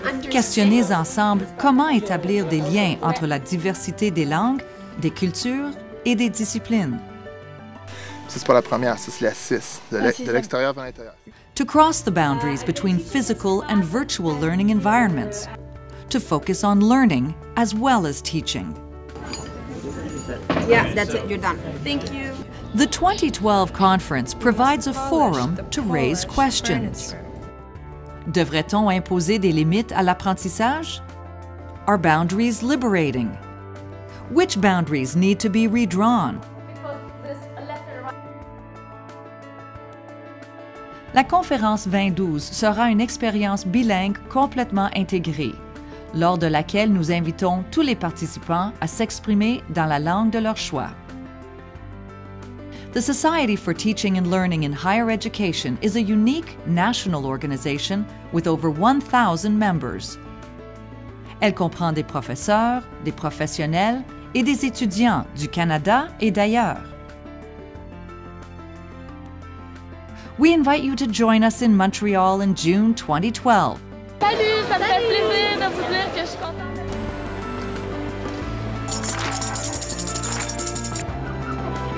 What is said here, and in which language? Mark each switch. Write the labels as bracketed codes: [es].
[fr] Questionnez ensemble comment établir des liens entre la diversité des langues, des cultures et des disciplines. C'est pas la première, c'est la six, de l'extérieur vers l'intérieur. [en] To cross the boundaries between physical and virtual learning environments. To focus on learning as well as teaching. Yeah, that's it, you're done. Thank you. The 2012 conference provides a forum to raise questions. [fr] Devrait-on imposer des limites à l'apprentissage? [en] Are boundaries liberating? Which boundaries need to be redrawn? [fr] La conférence 2012 sera une expérience bilingue complètement intégrée, lors de laquelle nous invitons tous les participants à s'exprimer dans la langue de leur choix. [en] The Society for Teaching and Learning in Higher Education is a unique national organization with over 1,000 members. [fr] Elle comprend des professeurs, des professionnels et des étudiants du Canada et d'ailleurs. [en] We invite you to join us in Montreal in June 2012. [fr] Salut, ça me fait plaisir de vous dire que je suis contente.